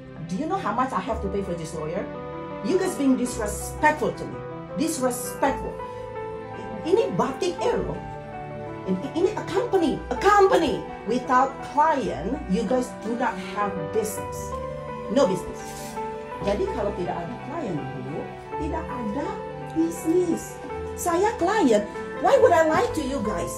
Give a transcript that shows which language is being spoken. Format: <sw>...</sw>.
<en>Do you know how much I have to pay for this lawyer? You guys being disrespectful to me. Disrespectful.</en> <id>Ini Batik Air loh. Ini</id> <en>a company. Without client, you guys do not have business. No business.</en> <id>Jadi kalau tidak ada client dulu, tidak ada bisnis. Saya client,</id> <en>why would I lie to you guys?</en>